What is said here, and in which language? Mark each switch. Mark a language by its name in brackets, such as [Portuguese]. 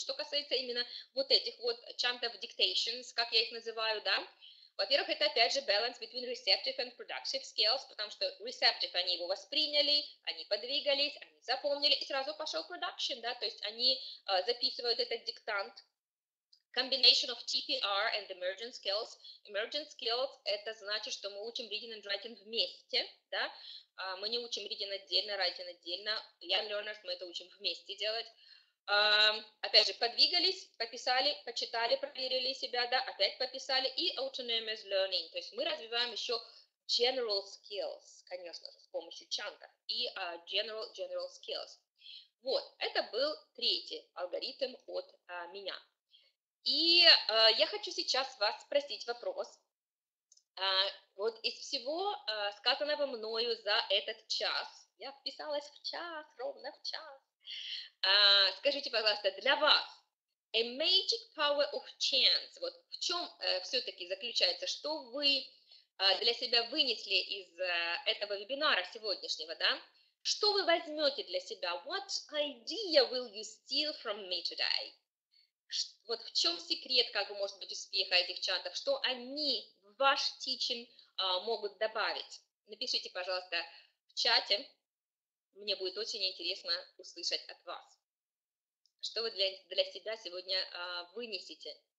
[Russian] Что касается именно вот этих вот чантов dictations, как я их называю, да. Во-первых, это опять же [English] balance between receptive and productive skills, [Russian] потому что receptive, они его восприняли, они подвигались, они запомнили, и сразу пошел production, да, то есть они записывают этот диктант. [English] Combination of TPR and emergent skills. Emergent skills [Russian] – это значит, что мы учим [English] reading and writing [Russian] вместе, да? Мы не учим reading отдельно, writing отдельно. [English] Young learners [Russian] – мы это учим вместе делать. Опять же, подвигались, пописали, почитали, проверили себя, да? Опять пописали. И [English] autonomous learning [Russian] – то есть мы развиваем еще [English] general skills, [Russian] конечно же, с помощью чанта, и general skills. Вот, это был третий алгоритм от меня. И я хочу сейчас вас спросить вопрос. Вот из всего сказанного мною за этот час, я вписалась в час, ровно в час, скажите, пожалуйста, для вас, [English] a magic power of chance, [Russian] вот в чем все-таки заключается, что вы для себя вынесли из этого вебинара сегодняшнего, да? Что вы возьмете для себя? [English] What idea will you steal from me today? [Russian] Вот в чем секрет, как бы, может быть, успеха этих чатов? Что они в ваш teaching могут добавить? Напишите, пожалуйста, в чате. Мне будет очень интересно услышать от вас. Что вы для себя сегодня вынесете?